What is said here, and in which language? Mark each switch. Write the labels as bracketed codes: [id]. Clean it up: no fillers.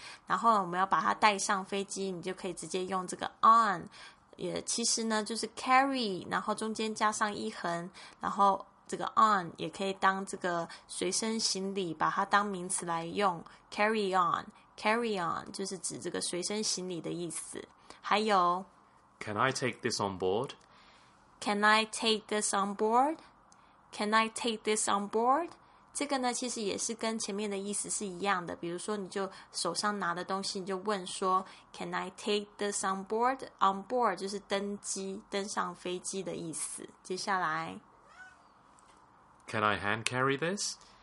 [zh] 然后我们要把它带上飞机，你就可以直接用这个 on， 也其实呢就是 carry 然后中间加上一横，然后这个 on 也可以当这个随身行李，把它当名词来用， carry on， carry on 就是指这个随身行李的意思。还有 [en] Can I take this on board? Can I take this on boardCan I take this on board? [zh] 这个呢其实也是跟前面的意思是一样的，比如说你就手上拿的东西你就问说 [en] Can I take this on board? [zh] On board 就是登机，登上飞机的意思。接下来 [en] Can I hand carry this?